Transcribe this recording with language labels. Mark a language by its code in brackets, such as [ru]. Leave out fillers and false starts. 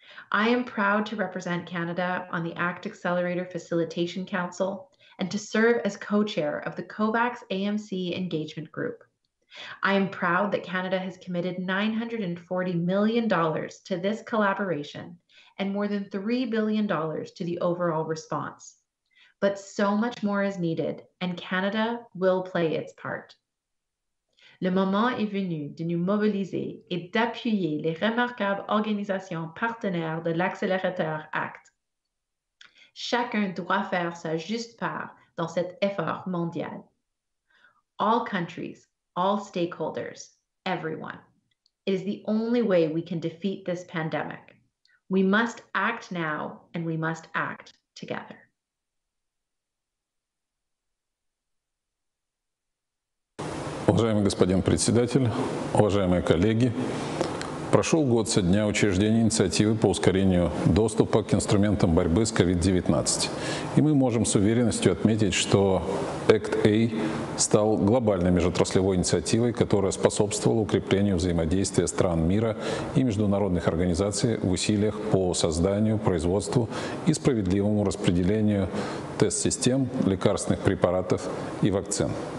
[en] I am proud to represent Canada on the ACT Accelerator Facilitation Council and to serve as co-chair of the COVAX AMC Engagement Group. I am proud that Canada has committed $940 million to this collaboration and more than $3 billion to the overall response. But so much more is needed, and Canada will play its part. [fr] Le moment est venu de nous mobiliser et d'appuyer les remarquables organisations partenaires de l'accélérateur ACT. Chacun doit faire sa juste part dans cet effort mondial. [en] All countries, all stakeholders, everyone. It is the only way we can defeat this pandemic. We must act now and we must act together. [ru] Уважаемый господин председатель, уважаемые коллеги, прошел год со дня учреждения инициативы по ускорению доступа к инструментам борьбы с COVID-19. И мы можем с уверенностью отметить, что ACT-A стал глобальной межотраслевой инициативой, которая способствовала укреплению взаимодействия стран мира и международных организаций в усилиях по созданию, производству и справедливому распределению тест-систем, лекарственных препаратов и вакцин.